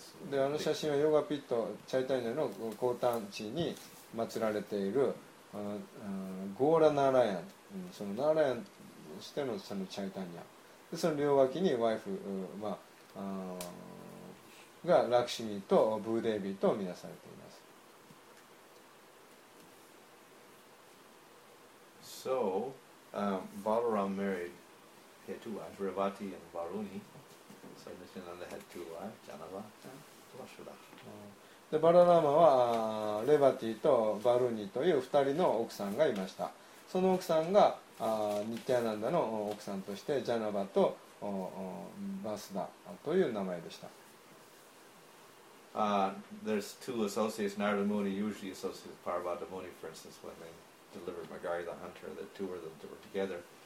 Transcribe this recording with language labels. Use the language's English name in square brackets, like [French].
[Japanese] で、あの写真はヨガピット、チャイタニアの高坦地に祀られているゴーラナーラヤン、そのナーラヤンとしてのそのチャイタニア、でその両脇にワイフ、まあ、がラクシミとブーデービーと見なされています。 [English] So, Balaram married he had two wives, Revati and Varuni. So Nityananda had two wives, Janava and Vasudha. [Japanese] でバララマはレバティとバルニという二人の奥さんがいました。その奥さんがニッティアナンダの奥さんとしてジャナバとバスダという名前でした。 [English] There's two associates, Narada Muni usually associates with Parvati Muni, for instance when they delivered Magari the Hunter, the two of them were together.